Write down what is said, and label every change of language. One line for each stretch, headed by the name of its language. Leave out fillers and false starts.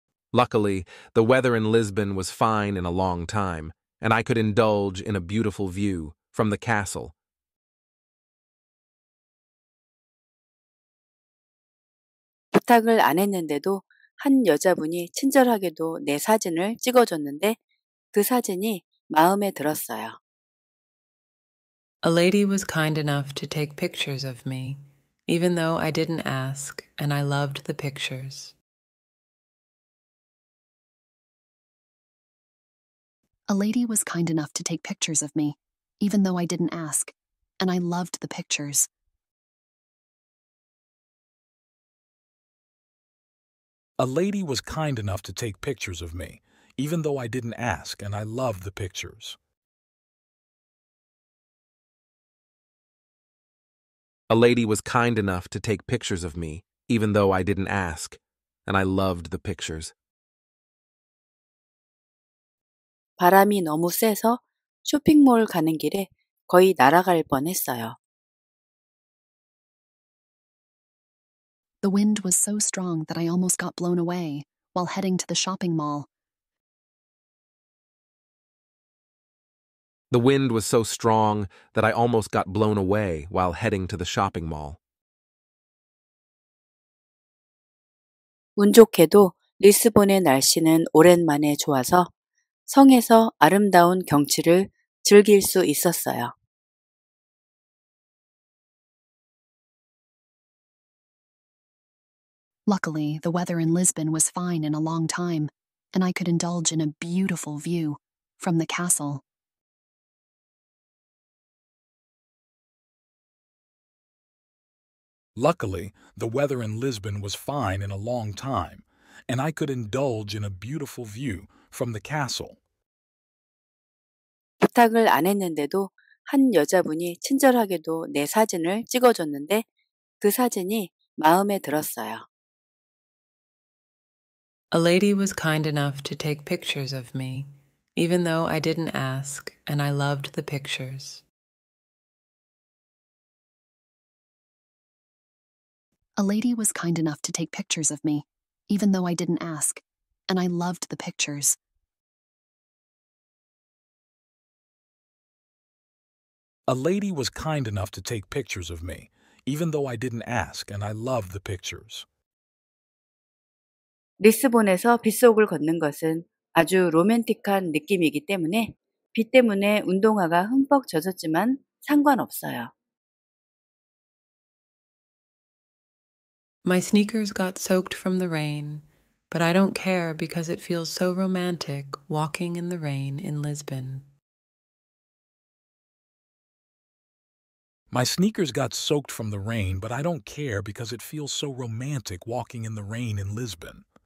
English: 'Luckily, the weather in Lisbon was fine in a long time, and I could indulge in a beautiful view from the castle. Luckily, the weather in Lisbon was fine in a long time, and I could indulge in a beautiful view from the castle.
Korean: 부탁을 안 했는데도 한 여자분이 친절하게도 내 사진을 찍어줬는데 그 사진이 마음에 들었어요.
English: A lady was kind enough to take pictures of me, even though I didn't ask, and I loved the pictures. A lady was kind enough to take pictures of me, even though I didn't ask, and I loved the pictures. A lady was kind enough to take pictures of me, even though I didn't ask, and I loved the pictures. A lady was kind enough to take pictures of me, even though I didn't ask, and I loved the pictures.
Korean: 바람이 너무 세서 쇼핑몰 가는 길에 거의 날아갈 뻔했어요.
English: The wind was so strong that I almost got blown away while heading to the shopping mall. The wind was so strong that I almost got blown away while heading to the shopping mall.
Korean: 운 좋게도 리스본의 날씨는 오랜만에 좋아서 성에서 아름다운 경치를 즐길 수 있었어요.
English: Luckily, the weather in Lisbon was fine in a long time, and I could indulge in a beautiful view from the castle. Luckily, the weather in Lisbon was fine in a long time, and I could indulge in a beautiful view from the castle.
Korean: 부탁을 안 했는데도 한 여자분이 친절하게도 내 사진을 찍어줬는데 그 사진이 마음에 들었어요.
English: A lady was kind enough to take pictures of me, even though I didn't ask, and I loved the pictures. A lady was kind enough to take pictures of me, even though I didn't ask, and I loved the pictures. A lady was kind enough to take pictures of me, even though I didn't ask, and I loved the pictures.
Korean: 리스본에서 빗속을 걷는 것은 아주 로맨틱한 느낌이기 때문에 비 때문에 운동화가 흠뻑 젖었지만 상관없어요.
English: My sneakers got soaked from the rain, but I don't care because it feels so romantic walking in the rain in Lisbon. My sneakers got soaked from the rain, but I don't care because it feels so romantic walking in the rain in Lisbon.